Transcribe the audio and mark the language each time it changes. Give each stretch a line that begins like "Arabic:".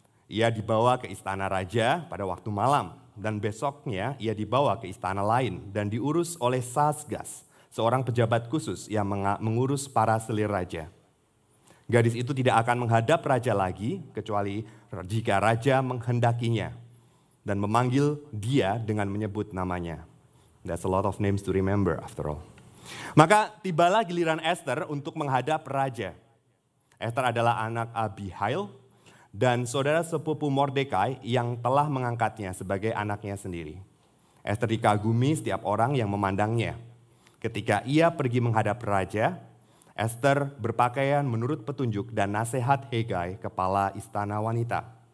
Indonesian: Ia dibawa ke istana raja pada waktu malam, dan besoknya ia dibawa ke istana lain dan diurus oleh Sasgas, seorang pejabat khusus yang mengurus para selir raja. Gadis itu tidak akan menghadap raja lagi kecuali jika raja menghendakinya dan memanggil dia dengan menyebut namanya.
English: That's a lot of names to remember after all.
Indonesian: Maka tibalah giliran Esther untuk menghadap raja. Esther adalah anak Abihail dan saudara sepupu Mordekai yang telah mengangkatnya sebagai anaknya sendiri. Esther dikagumi setiap orang yang memandangnya. Ketika ia pergi menghadap raja, Esther berpakaian menurut petunjuk dan nasihat Hegai, kepala istana wanita.